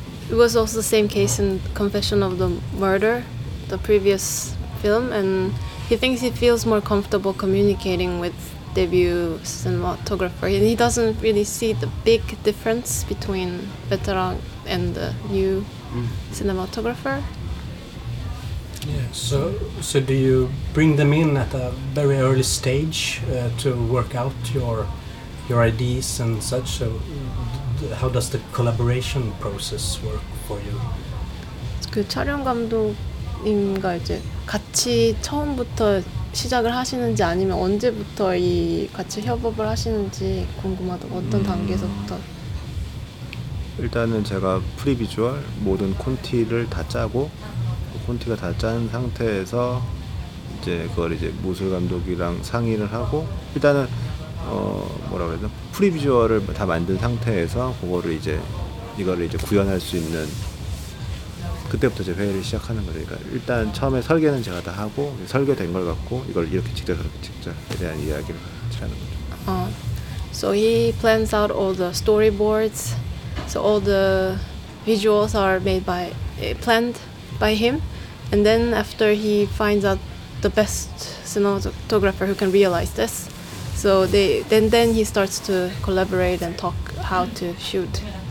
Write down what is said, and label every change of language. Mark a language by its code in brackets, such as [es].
[en] It was also the same case in Confession of the Murder, the previous film, and he thinks he feels more comfortable communicating with debut cinematographer, and he doesn't really see the big difference between veteran and the new cinematographer. Yeah. So do you bring them in at a very early stage to work out your ideas and such? So how does the collaboration process work for you? [ko] 그 촬영 감독 님과 이제 같이 처음부터 시작을 하시는지 아니면 언제부터 이 같이 협업을 하시는지 궁금하다. 어떤 단계에서부터? 일단은 제가 프리비주얼 모든 콘티를 다 짜고 콘티가 다 짠 상태에서 이제 그걸 이제 무술 감독이랑 상의를 하고 일단은 뭐라고 해야 되나? 프리비주얼을 다 만든 상태에서 그거를 이제 이거를 이제 구현할 수 있는 그때부터 이제 회의를 시작하는 거예요. 그러니까 일단 처음에 설계는 제가 다 하고 설계된 걸 갖고 이걸 이렇게 찍자 저렇게 찍자에 대한 이야기를 같이 하는 거죠. [en] So he plans out all the storyboards. So all the visuals are made by planned by him. And then after he finds out the best cinematographer who can realize this. So then he starts to collaborate and talk how to shoot.